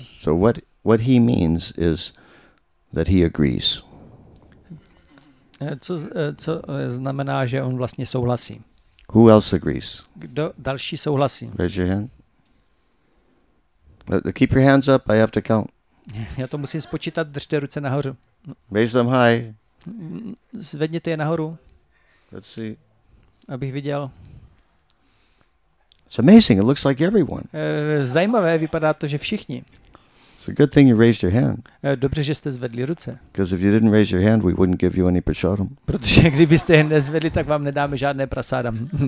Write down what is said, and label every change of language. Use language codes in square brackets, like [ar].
[en] So what he means is that he agrees. [cs] Co znamená, že on vlastně souhlasí? [en] Who else agrees? [cs] Kdo další souhlasí? [en] Raise your hand. Keep your hands up, I have to count. [cs] Já to musím spočítat, držte ruce nahoru. [en] Raise them high. [cs] Zvedněte je nahoru. [en] Let's see. [cs] Abych viděl. [en] It's amazing. It looks like everyone. [cs] Zajímavé, vypadá to, že všichni. [en] It's a good thing you raised your hand. [cs] Dobře, že jste zvedli ruce. [en] Because if you didn't raise your hand, we wouldn't give you any prasadam. [cs] Protože kdybyste je nezvedli, tak vám nedáme žádné prasadam.